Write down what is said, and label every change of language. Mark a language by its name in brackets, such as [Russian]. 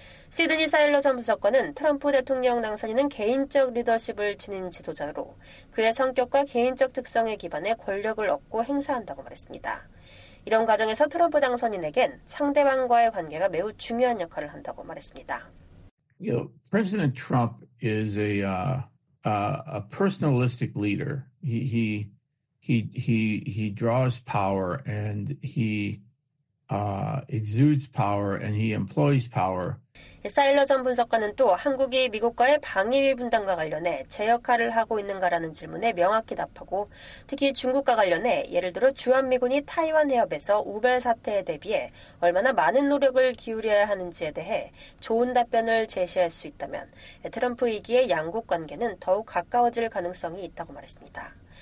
[Korean] 시드니 사일러 전 부석권은 트럼프 대통령 당선인은 개인적 리더십을 지닌 지도자로 그의 성격과 개인적 특성에 기반해 권력을 얻고 행사한다고 말했습니다. 이런 과정에서 트럼프 당선인에겐 상대방과의 관계가 매우 중요한 역할을 한다고 말했습니다. [English] You know, President Trump is a personalistic leader. He draws power and he exudes power and he employs power. [Korean] 사일러 전 분석가는 또 한국이 미국과의 방위비 분담과 관련해 제 역할을 하고 있는가라는 질문에 명확히 답하고 특히 중국과 관련해 예를 들어 주한미군이 타이완 해협에서 우발 사태에 대비해 얼마나 많은 노력을 기울여야 하는지에 대해 좋은 답변을 제시할 수 있다면 트럼프 2기의 양국 관계는 더욱 가까워질 가능성이 있다고 말했습니다.